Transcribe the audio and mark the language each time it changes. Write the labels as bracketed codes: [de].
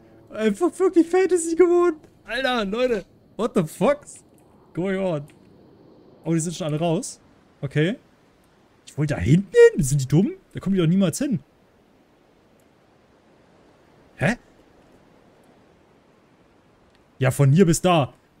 [de] Einfach wirklich Fantasy geworden. Alter, Leute. [en] What the fuck is going on? [de] Oh, die sind schon alle raus. Okay. Ich wollte da hinten hin? Sind die dumm? Da kommen die doch niemals hin. Hä? Ja, von hier bis da.